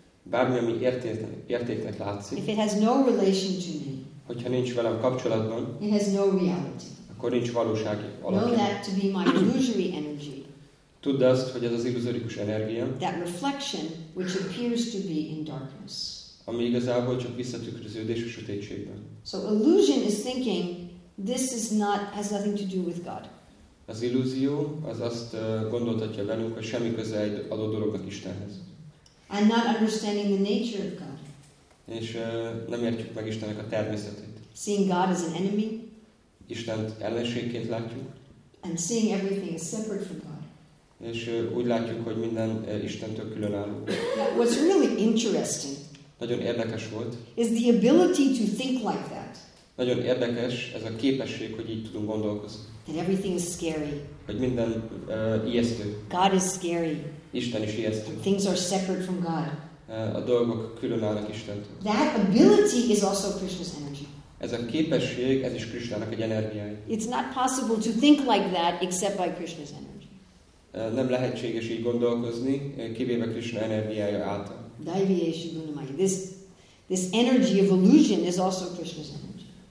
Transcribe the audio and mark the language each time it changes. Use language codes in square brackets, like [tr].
[hu] Bármi, ami értéknek látszik. [en] If it has no relation to me. [hu] Hogyha nincs velem kapcsolatban. [en] It has no reality. [hu] Akkor nincs valósági alapja. [en] Know that to be my illusory energy. [hu] Tudd azt, hogy ez az illuzórikus energia. [en] That reflection which appears to be in darkness. [hu] Ami igazából csak visszatükröződés a sötétségben. [en] So illusion is thinking this is not has nothing to do with God. [hu] Az illúzió az azt gondoltatja velünk, hogy semmi köze egy adott dolognak Istenhez. [en] I'm not understanding the nature of God. [hu] És nem értjük meg Istennek a természetét. [en] Seeing God as an enemy. [hu] Istent ellenségként látjuk. [en] And seeing everything as separate from God. [hu] És úgy látjuk, hogy minden Istentől különálló. [en] What's really interesting. [hu] Nagyon érdekes volt. [en] Is the ability to think like that. [hu] Nagyon érdekes ez a képesség, hogy így tudunk gondolkozni. [en] That everything is scary. [hu] Hogy minden ijesztő. [en] God is scary. [hu] Isten is ijesztő. [en] Things are separate from God. [hu] A dolgok különállnak Istentől. [en] That ability is also Krishna's energy. [hu] Ez a képesség, ez is Krishnának egy energiája. [en] It's not possible to think like that except by Krishna's energy. [hu] Nem lehetséges így gondolkozni, kivéve Krishna energiája által. [sa] Daivyeshu gunamai. [en] This energy of illusion is also Krishna's energy.